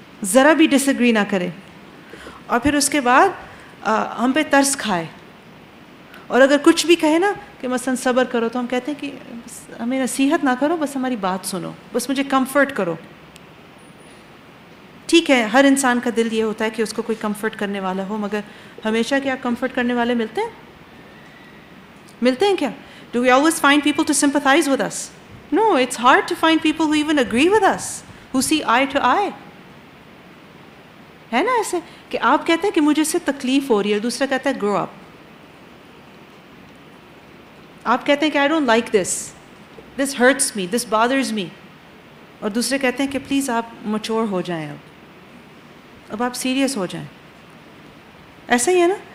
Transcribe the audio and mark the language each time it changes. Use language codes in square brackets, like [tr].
[ur] ذرا بھی ڈس اگری نہ کرے اور پھر اس کے بعد ہم پہ ترس کھائے اور اگر کچھ بھی کہے نا کہ مثلا صبر کرو تو ہم کہتے ہیں کہ ہمیں نصیحت نہ کرو بس ہماری بات سنو بس مجھے کمفرٹ کرو ٹھیک ہے ہر انسان کا دل یہ ہوتا ہے کہ اس کو کوئی کمفرٹ کرنے والا ہو مگر ہمیشہ کیا کمفرٹ کرنے والے ملتے ہیں کیا [en] Do we always find people to sympathize with us? No, it's hard to find people who even agree with us, who see eye to eye. [ur] ہے نا ایسے کہ آپ کہتے ہیں کہ مجھے اس سے تکلیف ہو رہی ہے اور دوسرا کہتا ہے [en] Grow up. [ur] آپ کہتے ہیں کہ [en] I don't like this, this hurts me, this bothers me, [ur] اور دوسرے کہتے ہیں کہ پلیز آپ میچور ہو جائیں, اب آپ سیریس ہو جائیں. ایسا ہی ہے نا.